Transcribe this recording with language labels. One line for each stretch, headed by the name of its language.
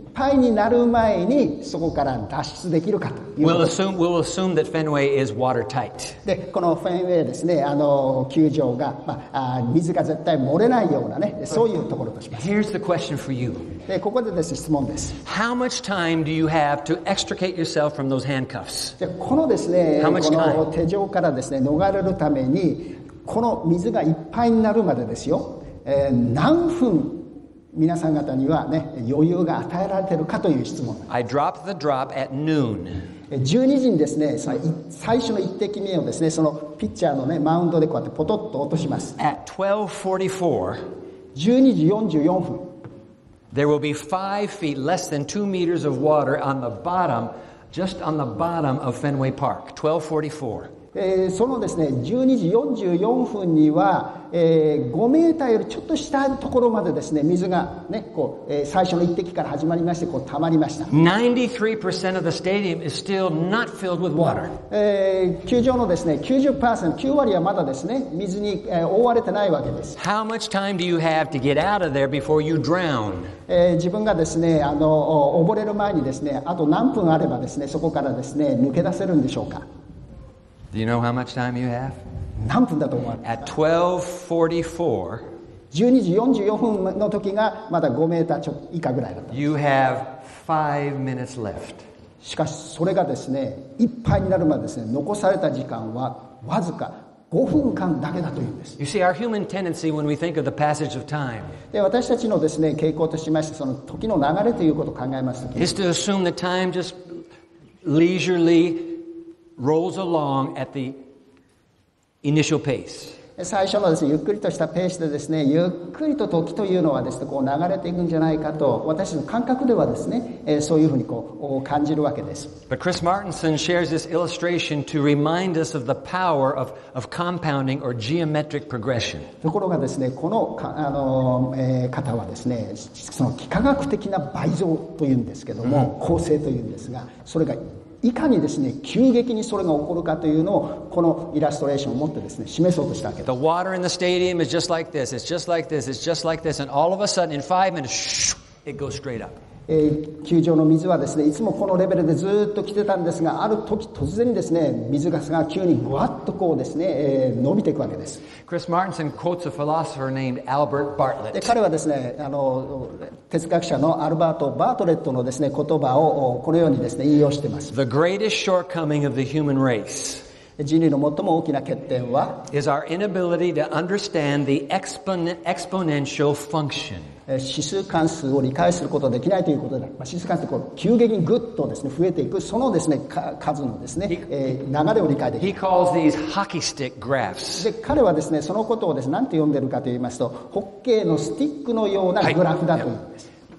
Japanese: パイになる前にそこから脱出できるかということ
English: 。 We'll assume that Fenway is watertight.
Japanese: で、このフェンウェイですね、あの球場が、まあ、水が絶対漏れないようなね、そういうところとします。
English: Here's the question for you.
Japanese: で、ここでです、質問です。
English: How much time do you have to extricate yourself from those handcuffs?
Japanese: で、このですね、この手錠からですね、逃れるために、この水がいっぱいになるまでですよ、何分皆さん方にはね、余裕が与えられているかという質問。
English: I dropped the drop at noon.
Japanese: 12時にですね、その最初の一滴目をですね、そのピッチャーのね、マウンドでこうやってポトッと落とします。
English: At
Japanese: 12:44, 12時44分。
English: There will be 5 feet, less than 2 meters of water on the bottom, just on the bottom of Fenway Park. 12:44.
Japanese: そのですね、12時44分には、5メーターよりちょっと下のところまでですね、水がね、こう、最初の一滴から始まりまして、こう、溜まりました。
English: 93% of the stadium is still not filled with water.
Japanese: 球場のですね、90%、9割はまだですね、水に、覆われてないわけです。
English: How much time do you have to get out of there before you drown?
Japanese: 自分がですね、あの、溺れる前にですね、あと何分あればですね、そこからですね、抜け出せるんでしょうか。
English: Do you know how much time you have?
Japanese: 何分だと思われますか?
English: At 12:44,
Japanese: 12時44分の時がまだ5メーターちょ以下ぐらいだった。
English: You have 5 minutes left.
Japanese: しかしそれがですね、いっぱいになるまでですね、残された時間はわずか5分間だけだというんです。
English: You see, our human tendency when we think of the passage of time.
Japanese: で、私たちのですね、傾向としまして、その時の流れということを考えますときに。
English: Is to assume the time just leisurely. Rolls along at the initial pace.
Japanese: 最初のですね、ゆっくりとしたペースでですね、ゆっくりと時というのはですね、こう流れていくんじゃないかと、私の感覚ではですね、そういうふうにこう感じるわけです。
English: But Chris Martinson shares this illustration to remind us of the power of compounding or geometric progression.
Japanese: ところがですね、この、あの、方はですね、その幾何学的な倍増というんですけども、構成というんですが、それがいかにですね、急激にそれが起こるかというのをこのイラストレーションを持ってですね、示そうとしたわけです。
English: The water in the stadium is just like this. It's just like this. It's just like this. And all of a sudden, in 5 minutes, it goes straight up.
Japanese: 球場の水はですね、いつもこのレベルでずっと来てたんですが、ある時突然ですね、水かすが急にぐわっとこうですね、伸びていくわけです。
English: Chris Martinson quotes a philosopher named Albert Bartlett.
Japanese: で、彼はですね、あの、哲学者のアルバート・バートレットのですね、言葉をこのようにですね、引用しています。
English: The greatest shortcoming of the human race
Japanese: 人類の最も大きな欠点は
English: is our inability to understand the exponential function.
Japanese: 指数関数を理解することはできないということで、まあ、指数関数が急激にぐっとですね、増えていく、そのですね、数のですね、流れを理解できる。
English: He calls these hockey stick graphs.
Japanese: で、彼はですね、そのことをですね、何て呼んでるかと言いますと、ホッケーのスティックのようなグラフだと言うんです。